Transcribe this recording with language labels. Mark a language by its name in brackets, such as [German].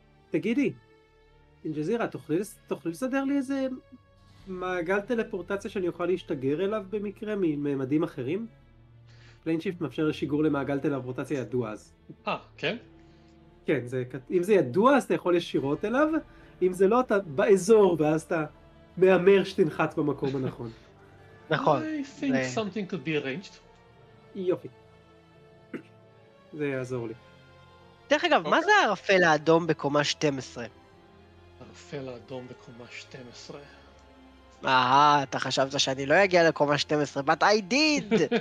[Hebrew] תגידי אינג'זירה, תוכלי לסדר לי איזה מעגל טלפורטציה שאני אוכל להשתגר אליו במקרה מממדים אחרים? פליינשיפט מאפשר לשיגור למעגל טלפורטציה ידוע. אז כן? כן, אם זה ידוע, אז אתה יכול ישירות אליו, אם זה לא, אתה באזור, ואז אתה מאמר שתנחת במקום הנכון. נכון. [English] I think something could be arranged. [Hebrew] יופי. זה יעזור לי. דרך אגב, מה זה הערפל האדום בקומה 12? הערפל האדום בקומה 12. אתה חשבת שאני לא אגיע לקומה 12, [English] but I did!